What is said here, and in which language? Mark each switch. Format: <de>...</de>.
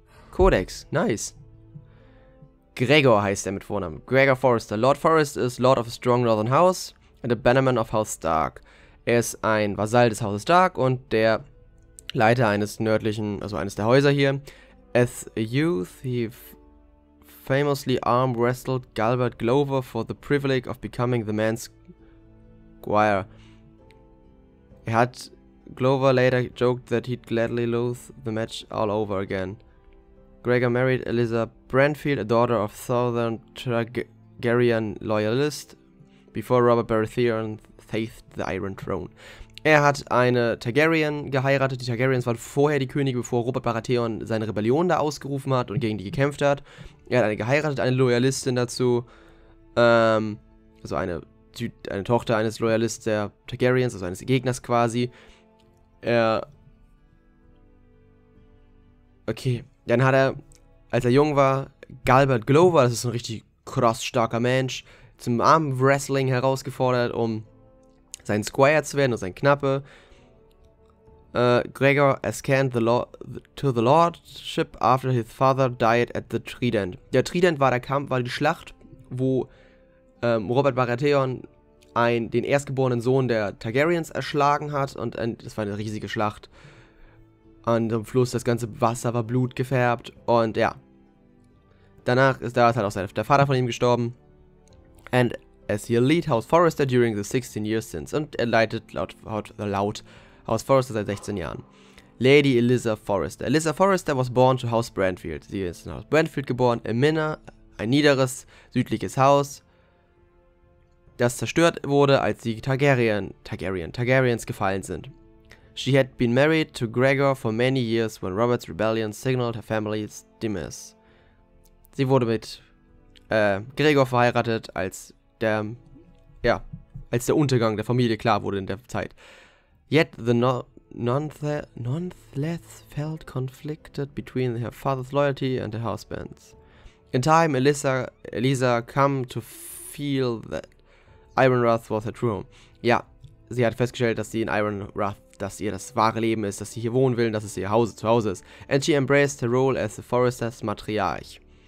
<de>Codex, nice. Gregor heißt er mit Vornamen. Gregor Forrester.</de> <en>Lord Forrester is Lord of a strong northern house and a bannerman of House Stark.</en> <de>Er ist ein Vasall des Hauses Stark und der Leiter eines nördlichen, also eines der Häuser hier.</de> <en>As a youth, he famously arm wrestled Galbert Glover for the privilege of becoming the man's squire.</en> <de>Er hat</de> <en>Glover later joked that he'd gladly lose the match all over again. Gregor married Eliza Brandfield, a daughter of Southern Targaryen loyalist, before Robert Baratheon faced the Iron Throne.</en> <de>Er hat eine Targaryen geheiratet. Die Targaryens waren vorher die Könige, bevor Robert Baratheon seine Rebellion da ausgerufen hat und gegen die gekämpft hat. Er hat eine geheiratet, eine Loyalistin dazu. Also eine Tochter eines Loyalists der Targaryens, also eines Gegners quasi. Okay. Dann hat er, als er jung war, Galbert Glover, das ist ein richtig krass starker Mensch, zum Armwrestling herausgefordert, um sein Squire zu werden und sein Knappe.</de> <en>Gregor ascended to the Lordship after his father died at the Trident.</en> <de>Der Trident war der Kampf, war die Schlacht, wo Robert Baratheon den erstgeborenen Sohn der Targaryens erschlagen hat. Und das war eine riesige Schlacht. An dem Fluss, das ganze Wasser war blutgefärbt. Und ja. Danach ist halt auch der Vater von ihm gestorben.</de> <en>And as he lead House Forrester during the 16 years since.</en> <de>Und er leitet laut House Forrester seit 16 Jahren.</de> <en>Lady Eliza Forrester. Eliza Forrester was born to House Brandfield.</en> <de>Sie ist in House Brandfield geboren. In Minner, ein niederes, südliches Haus. Das zerstört wurde, als die Targaryens gefallen sind.</de> <en>She had been married to Gregor for many years when Robert's Rebellion signaled her family's demise.</en> <de>Sie wurde mit Gregor verheiratet, als der Untergang der Familie klar wurde in der Zeit.</de> <en>Yet the nonetheless felt conflicted between her father's loyalty and her husband's. In time, Eliza come to feel that Iron Wrath was her true home.</en> <de>Ja, sie hat festgestellt, dass sie in Iron Wrath, dass ihr das wahre Leben ist, dass sie hier wohnen will, dass es ihr Zuhause, ist.</de> <en>And she embraced her role as the Forester's Matriarch.</en>